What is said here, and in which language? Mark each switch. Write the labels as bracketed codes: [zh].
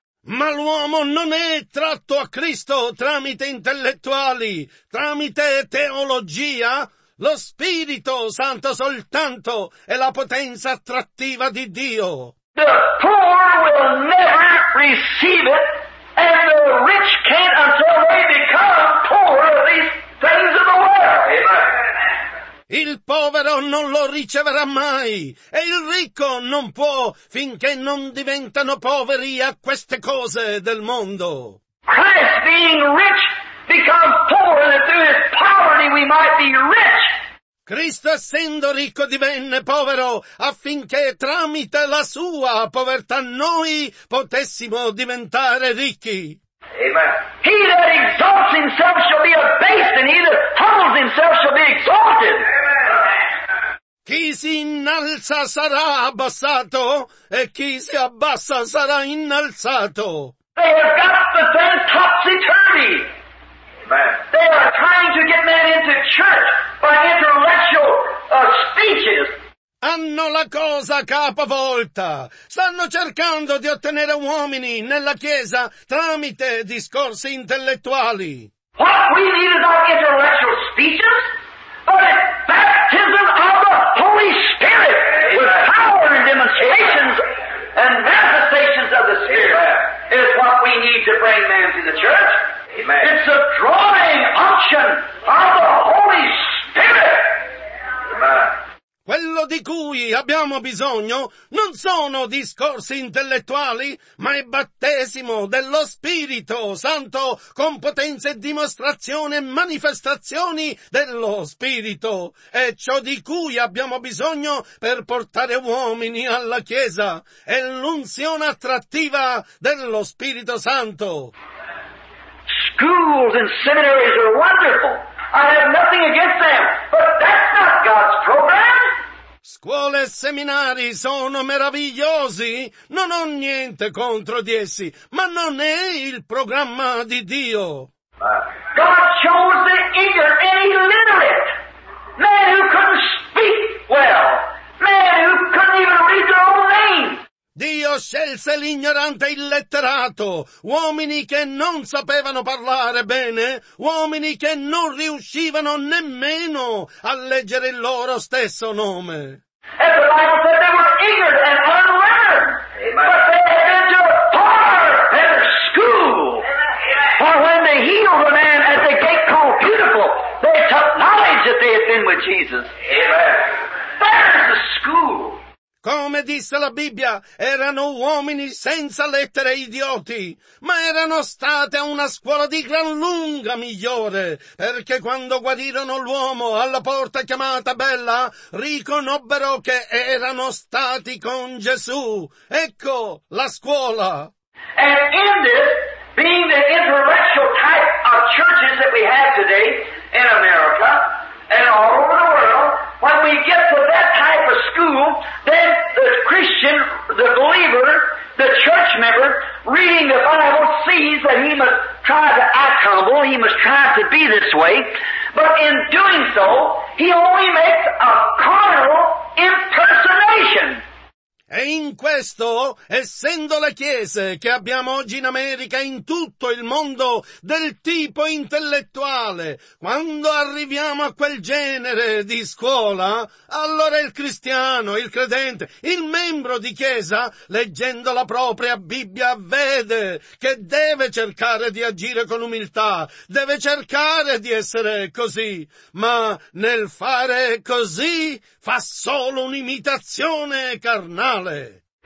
[it] Ma l'uomo non è tratto a Cristo tramite intellettuali, tramite teologia. Lo Spirito Santo soltanto è la potenza attrattiva di Dio. [en] The poor will never receive it, and the rich can't until they become poor of these things of the world. Amen. [it] Il povero non lo riceverà mai, e il ricco non può finché non diventano poveri a queste cose del mondo. [en] Christ being rich become poor that through his poverty we might be rich. [it] Cristo essendo ricco divenne povero affinché tramite la sua povertà noi potessimo diventare ricchi. Amen. [en] He that exalts himself shall be abased, and he that humbles himself shall be exalted. [it] Chi si innalza sarà abbassato, e chi si abbassa sarà innalzato. [en] They have got the thing topsy-turvy. They are trying to get men into church by intellectual speeches. [it] Hanno la cosa capovolta. Stanno cercando di ottenere uomini nella Chiesa tramite discorsi intellettuali. [en] What we need is not intellectual speeches, but a baptism of the Holy Spirit with power and demonstrations and manifestations of the Spirit. Amen. Is what we need to bring men to the church. Amen. It's a drawing unction of the Holy Spirit. Amen. [it] Quello di cui abbiamo bisogno non sono discorsi intellettuali, ma è battesimo dello Spirito Santo con potenza e dimostrazione e manifestazioni dello Spirito. È ciò di cui abbiamo bisogno per portare uomini alla Chiesa. È l'unzione attrattiva dello Spirito Santo. [en] Schools and seminaries are wonderful. I have nothing against them, but that's not God's program. [it] Scuole e seminari sono meravigliosi, non ho niente contro di essi, ma non è il programma di Dio. [en] God chose the ignorant and illiterate, man who couldn't speak well, man who couldn't even read their own name. [it] Dio scelse l'ignorante e illetterato, uomini che non sapevano parlare bene, uomini che non riuscivano nemmeno a leggere il loro stesso nome. [en] And the Bible said they were ignorant and unlearned. Amen. But they had been to power and school. For when they healed a man at the gate called Beautiful, they took knowledge that they had been with Jesus. Amen. There's the school. [it] Come disse la Bibbia, erano uomini senza lettere idioti, ma erano state a una scuola di gran lunga migliore, perché quando guarirono l'uomo alla porta chiamata Bella, riconobbero che erano stati con Gesù. Ecco la scuola. [en] And in this, being the intellectual type of churches that we have today in America and all over the world, when we get to that type of school, then the Christian, the believer, the church member, reading the Bible, sees that he must try to act humble, he must try to be this way, but in doing so, he only makes a carnal impersonation. [it] E in questo, essendo le chiese che abbiamo oggi in America, in tutto il mondo, del tipo intellettuale, quando arriviamo a quel genere di scuola, allora il cristiano, il credente, il membro di chiesa, leggendo la propria Bibbia, vede che deve cercare di agire con umiltà, deve cercare di essere così, ma nel fare così fa solo un'imitazione carnale.